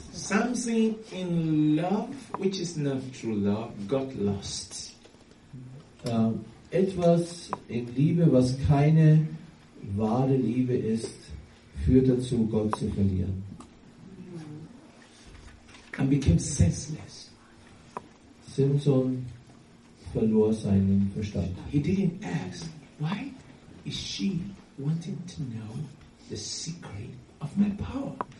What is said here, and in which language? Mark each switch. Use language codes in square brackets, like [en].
[en] Something in love, which is not true love, got lost. [de] Etwas in Liebe, was keine wahre Liebe ist, führt dazu, Gott zu verlieren. [en] And became senseless. [de] Samson verlor seinen Verstand. [en] He didn't ask, why is she wanting to know the secret of my power?